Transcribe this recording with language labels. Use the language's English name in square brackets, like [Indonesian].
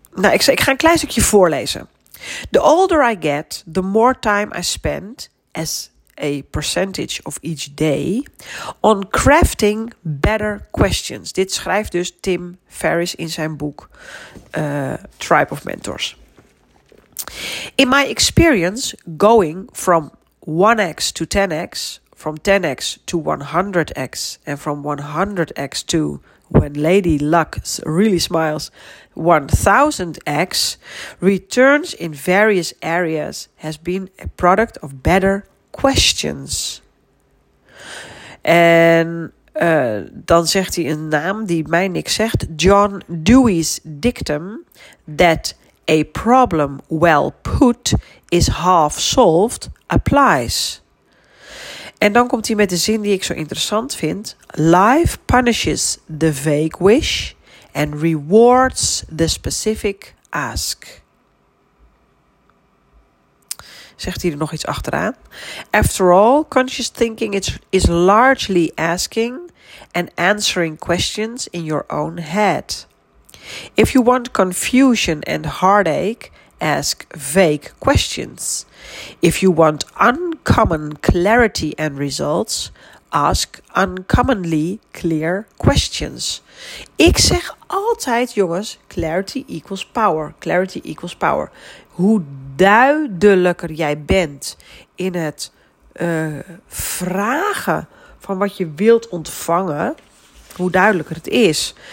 [Dutch] Ik ga een klein stukje voorlezen. [English] The older I get, the more time I spend as a percentage of each day on crafting better questions. [Dutch] Dit schrijft dus Tim Ferriss in zijn boek Tribe of Mentors. [English] In my experience, going from 1x to 10x, from 10x to 100x, and from 100x to, when Lady Luck really smiles, 1000x, returns in various areas has been a product of better questions. [Dutch] En dan zegt hij een naam die mij niks zegt, [English] John Dewey's dictum that a problem well put is half solved applies. [Dutch] En dan komt hij met de zin die ik zo interessant vind. [English] Life punishes the vague wish and rewards the specific ask. [Dutch] Zegt hij er nog iets achteraan? [English] After all, conscious thinking is largely asking and answering questions in your own head. If you want confusion and heartache, ask vague questions. If you want uncommon clarity and results, ask uncommonly clear questions. [Dutch] Ik zeg altijd, jongens, [English] clarity equals power. Clarity equals power. [Dutch] Hoe duidelijker jij bent in het vragen van wat je wilt ontvangen, hoe duidelijker het is.